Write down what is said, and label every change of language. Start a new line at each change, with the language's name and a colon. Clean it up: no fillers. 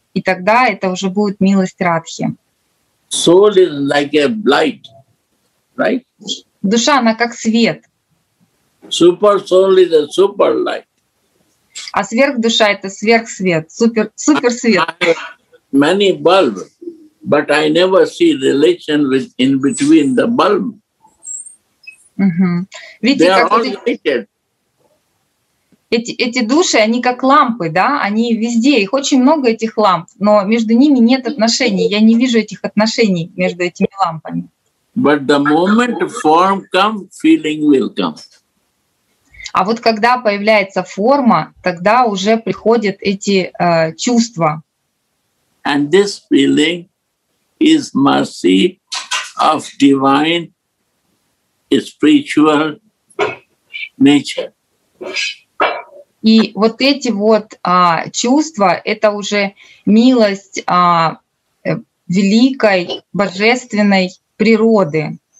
Russian: И тогда это уже будет милость Радхи.
English: Soul is like a light, right?
Russian: Душа, она как свет.
English: Super soul is a super light.
Russian: А сверхдуша — это сверхсвет, суперсвет.
English: Many bulb, but I never see relation with in between the bulb.
Russian: Видите,
English: they are all related.
Russian: Эти души, они как лампы, да? Они везде, их очень много, этих ламп, но между ними нет отношений. Я не вижу этих отношений между этими лампами.
English: But the moment form comes, feeling will come.
Russian: А вот когда появляется форма, тогда уже приходят эти чувства.
English: And this feeling is mercy of divine spiritual nature.
Russian: И вот эти вот чувства — это уже милость великой божественной природы.